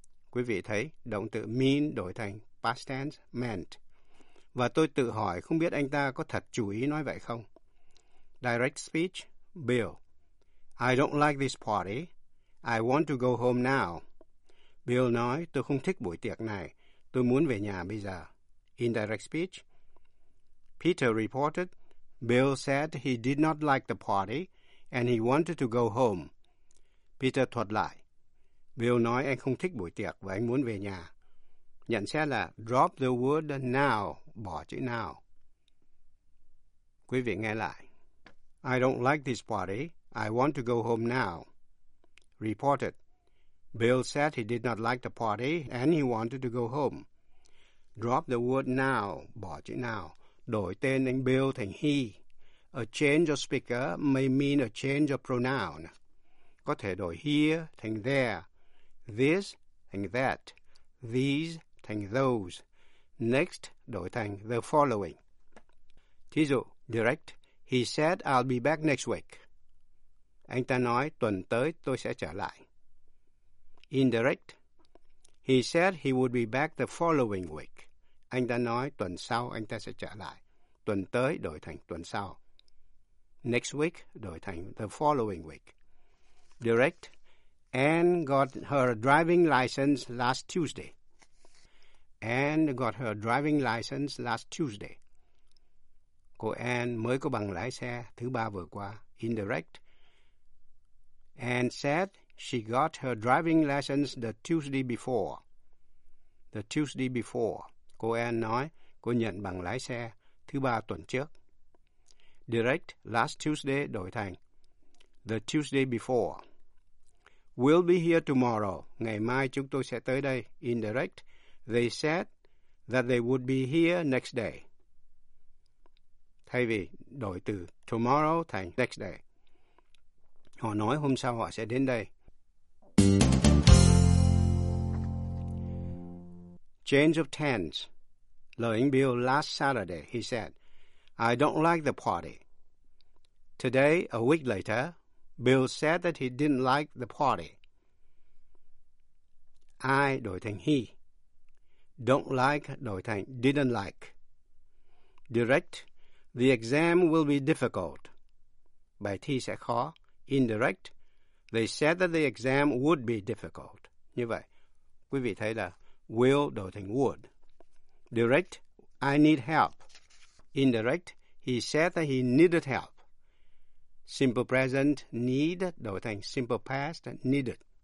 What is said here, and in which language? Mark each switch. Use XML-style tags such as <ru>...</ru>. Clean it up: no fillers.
<vi>Quý vị thấy, động từ mean đổi thành past tense, meant. Và tôi tự hỏi không biết anh ta có thật chủ ý nói vậy không? Direct speech, Bill.</vi> <en>I don't like this party. I want to go home now.</en> <vi>Bill nói, tôi không thích buổi tiệc này. Tôi muốn về nhà bây giờ. Indirect speech.</vi> <en>Peter reported, Bill said he did not like the party and he wanted to go home.</en> <vi>Peter thuật lại. Bill nói anh không thích buổi tiệc và anh muốn về nhà. Nhận xét là</vi> <en>drop the word now,</en> <vi>bỏ chữ now. Quý vị nghe lại.</vi> <en>I don't like this party. I want to go home now. Reported. Bill said he did not like the party and he wanted to go home. Drop the word now,</en> <vi>bỏ chữ</vi> <en>now.</en> <vi>Đổi tên anh Bill thành he.</vi> <en>A change of speaker may mean a change of pronoun.</en> <vi>Có thể đổi here thành there, this thành that, these thành those, next đổi thành the following. Thí dụ,</vi> <en>direct, he said I'll be back next week.</en> <vi>Anh ta nói tuần tới tôi sẽ trở lại.</vi> <en>Indirect, he said he would be back the following week.</en> <vi>Anh ta nói tuần sau anh ta sẽ trở lại. Tuần tới đổi thành tuần sau.</vi> <en>Next week</en> <vi>đổi thành</vi> <en>the following week. Direct, Anne got her driving license last Tuesday. Anne got her driving license last Tuesday.</en> <vi>Cô Anne mới có bằng lái xe thứ ba vừa qua.</vi> <en>Indirect, Anne said she got her driving license the Tuesday before. The Tuesday before.</en> <vi>Cô Anne nói cô nhận bằng lái xe thứ ba tuần trước.</vi> <en>Direct, last Tuesday</en> <vi>đổi thành</vi> <en>the Tuesday before. We'll be here tomorrow.</en> <vi>Ngày mai chúng tôi sẽ tới đây.</vi> <en>Indirect, they said that they would be here next day.</en> <vi>Thay vì đổi từ tomorrow thành next day, họ nói hôm sau họ sẽ đến đây.</vi> <en>Change of tense.</en> <vi>Lời anh</vi> <en>Bill last Saturday, he said, I don't like the party. Today, a week later, Bill said that he didn't like the party. I</en> <vi>đổi thành</vi> <en>he. Don't like đổi thành didn't like. Direct, the exam will be difficult.</en> <vi>Bài thi sẽ khó.</vi> <en>Indirect, they said that the exam would be difficult.</en> <vi>Như vậy, quý vị thấy là will đổi thành would.</vi> <en>Direct, I need help. Indirect, he said that he needed help. Simple present, need,</en> <vi>đổi thành</vi> <en>simple past, needed.</en>